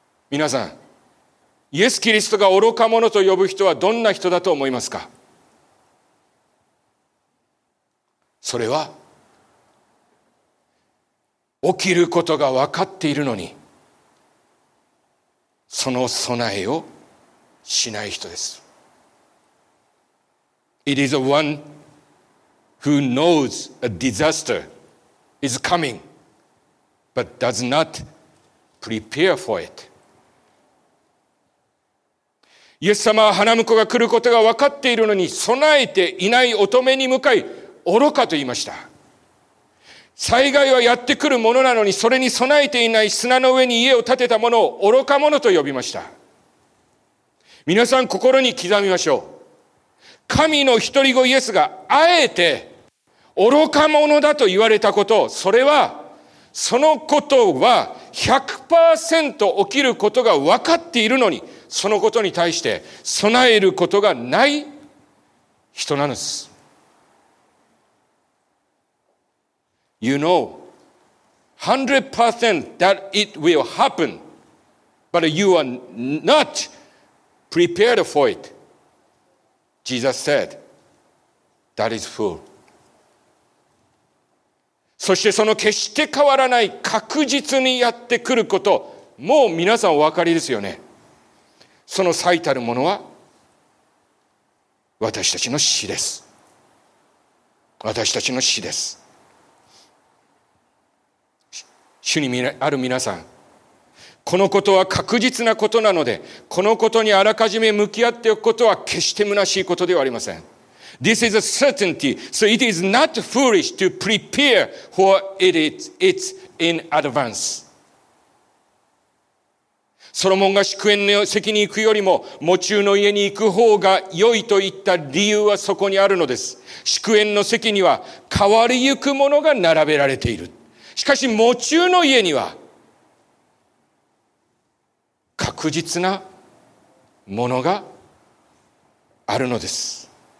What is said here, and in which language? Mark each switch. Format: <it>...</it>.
<ja>皆さん、イエス・キリストが愚か者と呼ぶ人はどんな人だと思いますか？それは起きることが分かっているのにその備えをしない人です。</ja> <en>It is the one who knows a disaster is coming, but does not prepare for it.</en> <ja>イエス様は花婿が来ることが分かっているのに備えていない乙女に向かい、愚かと言いました。災害はやってくるものなのに、それに備えていない砂の上に家を建てた者を愚か者と呼びました。皆さん心に刻みましょう。神の一人子イエスがあえて愚か者だと言われたこと、それはそのことは 100% 起きることが分かっているのに、そのことに対して備えることがない人なんです。</ja> <en>You know 100% that it will happen, but you are not prepared for it. Jesus said that is fool.</en> <ja>そしてその決して変わらない、確実にやってくること、もう皆さんお分かりですよね。その最たるものは私たちの死です。私たちの死です。主にある皆さん、このことは確実なことなので、このことにあらかじめ向き合っておくことは決して虚しいことではありません。</ja> <en>This is a certainty, so it is not foolish to prepare for it, it's in advance.</en> <ja>ソロモンが祝宴の席に行くよりも墓中の家に行く方が良いと言った理由はそこにあるのです。祝宴の席には変わりゆくものが並べられている。しかし墓中の家には確実なものがあるのです。</ja>